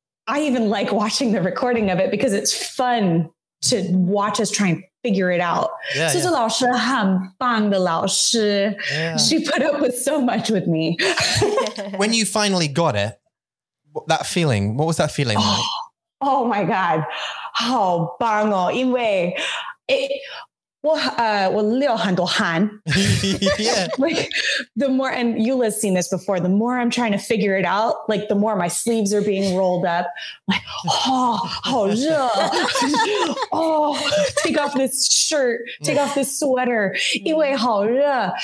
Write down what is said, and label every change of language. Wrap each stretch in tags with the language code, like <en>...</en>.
<en>I even like watching the recording of it because it's fun to watch us try and figure it out. Yeah,</en> <zh>素素老师很棒的老师.</zh> <en>Yeah. She put up with so much with me. When you finally got it, that feeling, what was that feeling like? Oh my God.</en> <zh>好棒哦，因为我流很多汗.</zh> <en>Yeah. Like, the more, and Eula's seen this before, the more I'm trying to figure it out, like the more my sleeves are being rolled up, like, oh, how 热. Oh, take off this shirt, take off this sweater,</en> <zh>因为好热.</zh>